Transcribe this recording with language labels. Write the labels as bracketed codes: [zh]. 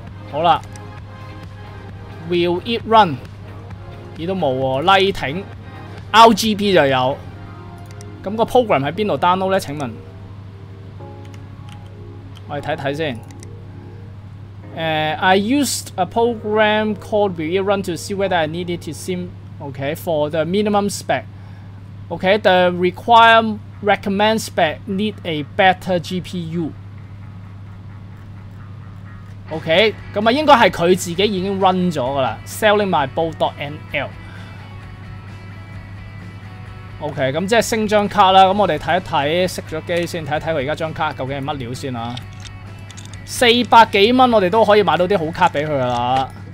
[yue] 好啦 ，Will it run？咦，都冇喎 ，Lighting，RGB 就有。咁、那個 program 喺邊度 download 咧？請問，我哋睇睇先。 [en] I used a program called Will It Run to see whether I needed to sim. Okay, for the minimum spec. Okay, the required recommend spec need a better GPU. [yue] Okay, 咁啊，應該係佢自己已經 run 咗噶啦 ， [en] selling my bow.nl. [yue] Okay, 咁即係升張卡啦。咁我哋睇一睇，熄咗機先，睇一睇佢而家張卡究竟係乜料先啊！ $400+，我哋都可以買到啲好卡俾佢噶啦。